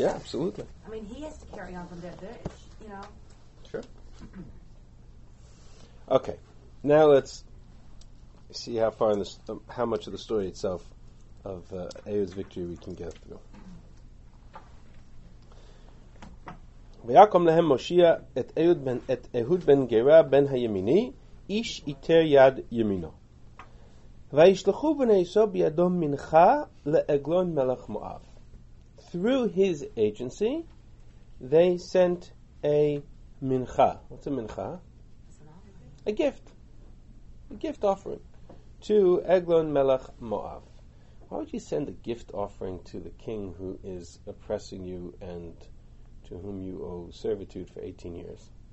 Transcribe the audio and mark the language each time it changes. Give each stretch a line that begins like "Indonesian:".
English: Yeah, absolutely. I mean, he has to carry on from their village, you know? Sure. Okay, now let's see how far in this, how much of the story itself of Eir's victory we can get through.
Hebrew: ויקום להם מושיע את אהוד בן את אהוד בן גירא בן הימיני איש איתר יד ימינו וישלחו בני ישראל בידו מנחה לאגלון מלך מואב.
English: Through his agency they sent a mincha. What's a mincha? A gift offering to Eglon Melech Moab. Why would you send a gift offering to the king who is oppressing you and to whom you owe servitude for 18 years?